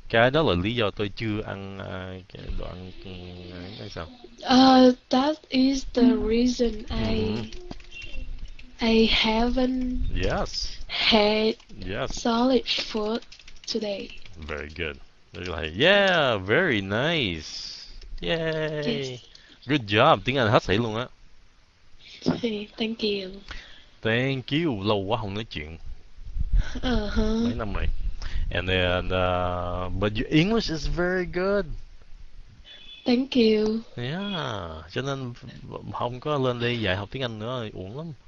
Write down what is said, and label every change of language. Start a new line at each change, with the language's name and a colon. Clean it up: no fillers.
Vietnamese: Cái đó là lý do tôi chưa ăn đồ ăn hay sao?
English: That is the reason I haven't had solid food today. Very good. Yeah, very nice. Yay. Yes. Good job.
Vietnamese: Tiếng Anh hết sảy luôn á.
English: Thank you. Thank you.
Vietnamese: Lâu quá không nói chuyện. Uh-huh. Mấy năm rồi.
English: And then, but your English is very good. Thank you. Yeah.
Vietnamese: Cho nên không có lên đây dạy học tiếng Anh nữa, uổng lắm.